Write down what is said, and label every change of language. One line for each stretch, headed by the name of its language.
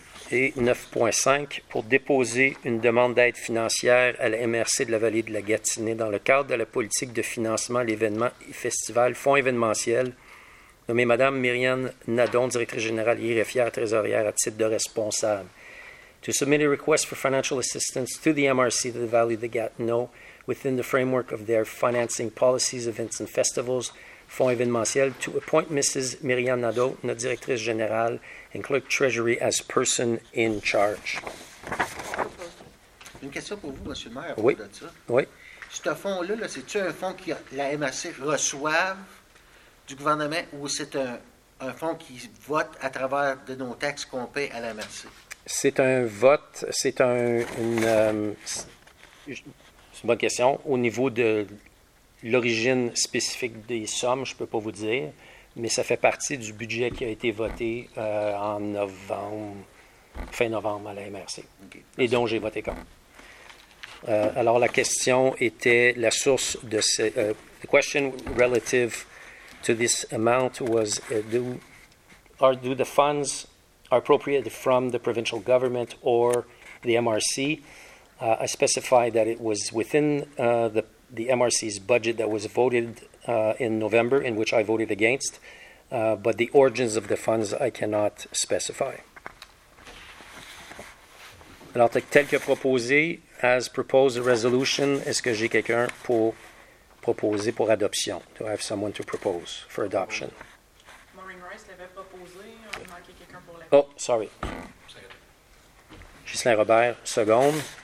French: Et 9.5, pour déposer une demande d'aide financière à la MRC de la Vallée de la Gatineau dans le cadre de la politique de financement à l'événement et festival Fonds événementiel, nommée Mme Myriane Nadon, directrice générale et IRFIA, trésorière à titre de responsable.
English: To submit a request for financial assistance to the MRC of the Valley of the Gatineau within the framework of their financing policies, events and festivals, Fonds événementiel, to appoint Mrs. Myriane Nadeau,
French: notre directrice générale,
English: and clerk treasury as person in charge.
French: Une question pour vous, M. le maire. Oui. Oui. Ce fonds-là, là, c'est-tu un fonds que la MRC reçoit du gouvernement ou c'est un fonds qui vote à travers de nos taxes qu'on paie à la MRC? C'est un vote, c'est un. C'est une bonne question. Au niveau de l'origine spécifique des sommes, je ne peux pas vous dire, mais ça fait partie du budget qui a été voté en novembre, fin novembre à la MRC, okay. Et dont j'ai voté contre. Alors, la question était la source de ces...
English: the question relative to this amount was, do the funds are appropriated from the provincial government or the MRC? I specified that it was within the MRC's budget that was voted in November, in which I voted against, but the origins of the funds I cannot specify.
French: Alors, tel que proposé,
English: as proposed a resolution,
French: est-ce que j'ai quelqu'un pour proposer pour adoption?
English: Do I have someone to propose for adoption?
French: Maureen Rice l'avait proposé, on a manqué quelqu'un pour l'adoption.
English: Oh, sorry.
French: Ghislain Robert, seconde.